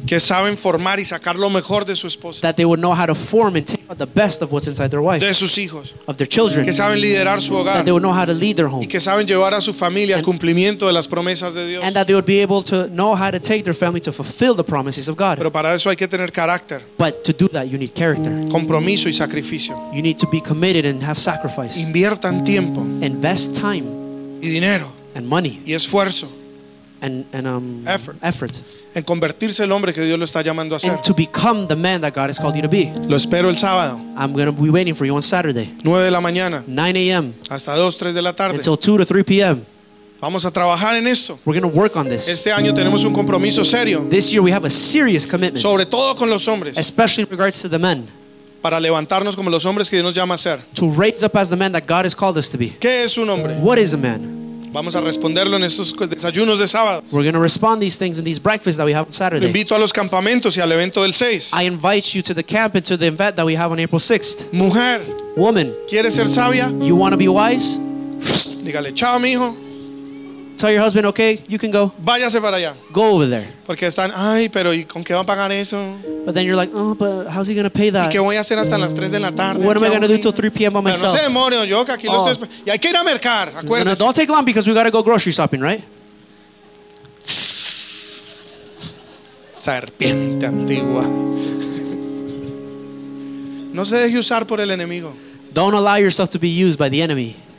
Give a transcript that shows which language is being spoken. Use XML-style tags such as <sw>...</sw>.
<es>Que saben formar y sacar lo mejor de su esposa.</es> <en>That they would know how to form and take out the best of what's inside their wife.</en> <es>De sus hijos.</es> <en>Of their children.</en> <es>Que saben liderar su hogar.</es> <en>That they would know how to lead their home.</en> <es>Y que saben llevar a su familia al cumplimiento de las promesas de Dios.</es> <en>And that they would be able to know how to take their family to fulfill the promises of God.</en> <es>Pero para eso hay que tener carácter.</es> <en>But to do that you need character.</en> <es>Compromiso y sacrificio.</es> <en>You need to be committed and have sacrifice.</en> <es>Inviertan tiempo.</es> <en>Invest time.</en> <es>Y dinero.</es> <en>And money.</en> <es>Y esfuerzo.</es> <en>And effort.</en> <es>En convertirse el hombre que Dios lo está llamando a ser.</es> <en>And to become the man that God has called you to be.</en> <es>Lo espero el sábado.</es> <en>I'm going to be waiting for you on Saturday.</en> <es>9 de la mañana.</es> <en>9 a.m.</en> <es>Hasta 2, 3 de la tarde.</es> <en>Until 2 to 3 p.m.</en> <es>Vamos a trabajar en esto.</es> <en>We're going to work on this.</en> <es>Este año tenemos un compromiso serio.</es> <en>This year we have a serious commitment.</en> <es>Sobre todo con los hombres.</es> <en>Especially in regards to the men.</en> <es>para levantarnos como los hombres que Dios nos llama a ser.</es> <en>To raise up as the man that God has called us to be.</en> <es>¿Qué es un hombre?</es> <en>What is a man?</en> <es>Vamos a responderlo en estos desayunos de sábado.</es> <en>We're going to respond these things in these breakfasts that we have on Saturday.</en> <es>Te invito a los campamentos y al evento del 6.</es> <en>I invite you to the camp and to the event that we have on April 6th.</en> <es>Mujer.</es> <en>Woman.</en> <es>¿Quieres ser sabia?</es> <en>You want to be wise?</en> <es>Dígale, chao, mijo.</es> <en>Tell your husband, okay, you can go.</en> <es>Váyase para allá.</es> <en>Go over there.</en> <es>Porque están, ay, pero ¿y con qué van a pagar eso?</es> <en>But then you're like, oh, but how's he going to pay that?</en> <es>¿Y qué voy a hacer hasta las 3 de la tarde?</es> <en>What am I going to do till 3 p.m. by myself?</en> <es>Pero no sé, demonio, yo que aquí lo estoy. Y hay que ir a mercar, acuérdese.</es> <en>No, don't take long because we got to go grocery shopping, right?</en> <es>Serpiente antigua. No se deje usar por el enemigo.</es> <en>Don't allow yourself to be used by the enemy.</en>